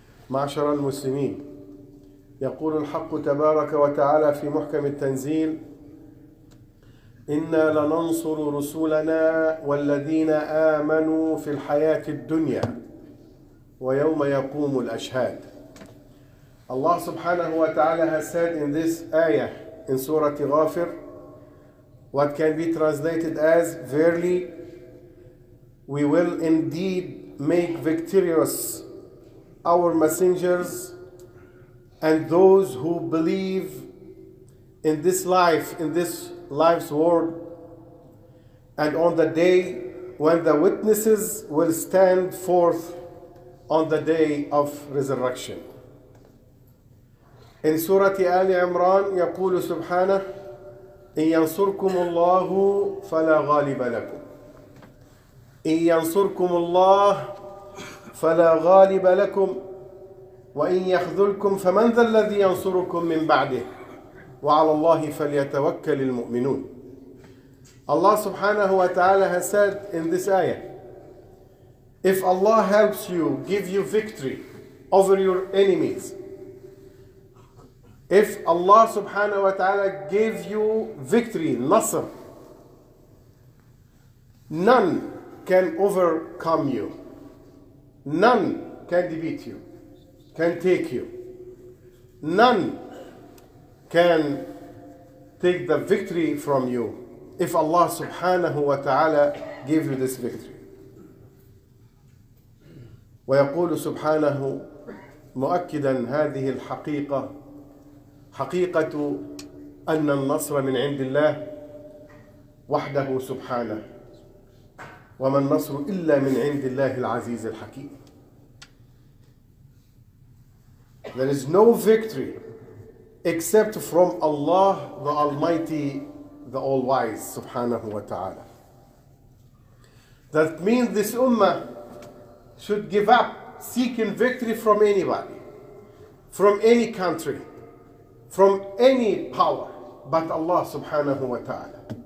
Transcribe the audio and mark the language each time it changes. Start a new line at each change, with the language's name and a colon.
Arabic: معشر المسلمين، يقول الحق تبارك وتعالى في محكم التنزيل: إنا لننصر رسلنا والذين آمنوا في الحياة الدنيا ويوم يقوم الأشهاد. الله سبحانه وتعالى
English: has said in this ayah in Surah Ghafir what can be translated as: Verily, we will indeed make victorious our messengers and those who believe in this life, in this life's world, and on the day when the witnesses will stand forth on the day of resurrection. In Surah Ali Imran,
Arabic: يقول سبحانه: إن ينصركم الله فلا غالب لكم. إن ينصركم الله فلا غالب لكم. وإن يخذلكم فمن ذا الذي ينصركم من بعده وعلى الله فليتوكل المؤمنون.
English: Allah subhanahu wa ta'ala has said in this ayah, if Allah helps you, give you victory over your enemies, if Allah subhanahu wa ta'ala gave you victory, nasr, none can overcome you, none can defeat you, can take you, none can take the victory from you if Allah subhanahu wa ta'ala gave you this victory.
Arabic: ويقول سبحانه مؤكدا هذه الحقيقة حقيقة أن النصر من عند الله وحده سبحانه وما النصر إلا من عند الله العزيز الحكيم.
English: There is no victory except from Allah, the Almighty, the All-Wise, subhanahu wa ta'ala. That means this ummah should give up seeking victory from anybody, from any country, from any power, but Allah subhanahu wa ta'ala.